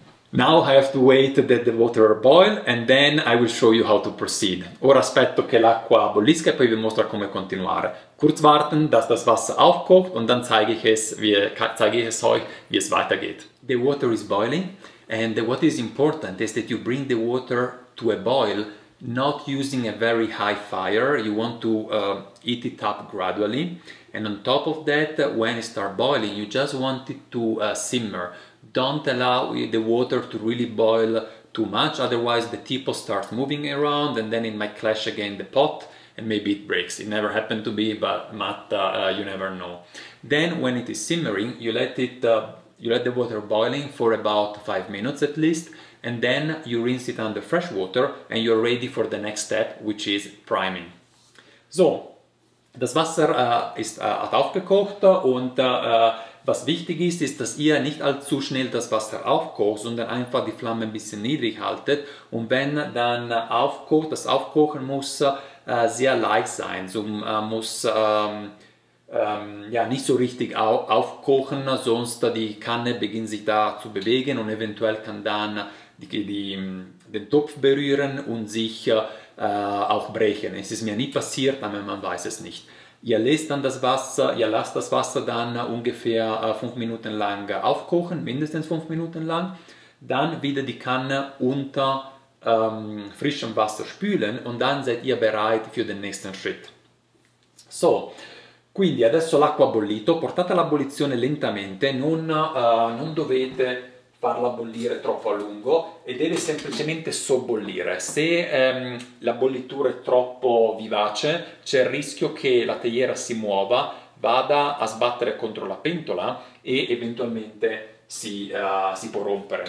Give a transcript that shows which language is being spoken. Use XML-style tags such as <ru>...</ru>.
<en>Now I have to wait that the water boil and then I will show you how to proceed.</en> <it>Ora aspetto che l'acqua bollisca e poi vi mostro come continuare.</it> <de>Kurz warten, dass das Wasser aufkocht und dann zeige ich es euch, wie es weitergeht.</de> <en>The water is boiling and what is important is that you bring the water to a boil not using a very high fire. You want to heat it up gradually and on top of that, when it starts boiling, you just want it to simmer. Don't allow the water to really boil too much, otherwise the teapot starts moving around and then it might clash again the pot and maybe it breaks. It never happened to me, but you never know. Then when it is simmering, you let the water boiling for about 5 minutes at least, and then you rinse it under fresh water and you're ready for the next step, which is priming.</en> <de>So, das Wasser hat aufgekocht und was wichtig ist, dass ihr nicht allzu schnell das Wasser aufkocht, sondern einfach die Flamme ein bisschen niedrig haltet. Und wenn dann aufkocht, das Aufkochen muss sehr leicht sein. So muss nicht so richtig aufkochen, sonst die Kanne beginnt sich da zu bewegen und eventuell kann dann den Topf berühren und sich auch brechen. Es ist mir nie passiert, aber man weiß es nicht. Ihr lässt dann das Wasser, ihr lasst das Wasser dann ungefähr 5 Minuten lang aufkochen, mindestens 5 Minuten lang. Dann wieder die Kanne unter frischem Wasser spülen und dann seid ihr bereit für den nächsten Schritt.</de> <it>So, quindi adesso l'acqua ha bollito, portate all'ebollizione lentamente, non dovete farla bollire troppo a lungo e deve semplicemente sobbollire. Se la bollitura è troppo vivace, c'è il rischio che la teiera si muova, vada a sbattere contro la pentola e eventualmente si può rompere.</it>